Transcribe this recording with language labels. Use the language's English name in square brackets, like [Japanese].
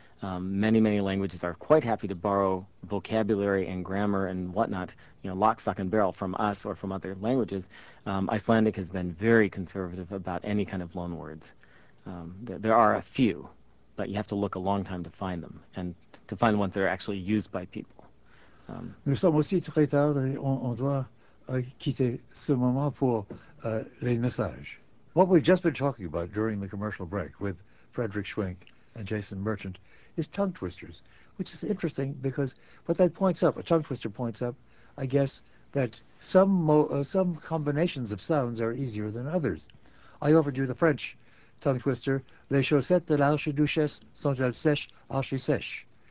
[English] Many, many languages are quite happy to borrow vocabulary and grammar and whatnot, you know, lock, stock, and barrel from us or from other languages. Icelandic has been very conservative about any kind of loan words. There are a few, but you have to look a long time to find them and to find ones that are actually used by people. [French] Nous sommes aussi très tard et on doit quitter ce moment pour les messages. [English] What we've just been talking about during the commercial break with Frederick Schwenk and Jason Merchant is tongue twisters, which is interesting because what that points up, a tongue twister points up, I guess, that some combinations of sounds are easier than others. I offered you the French tongue twister, [French] les chaussettes de l'archiduchesse sont-elles sèches, archi-sèches.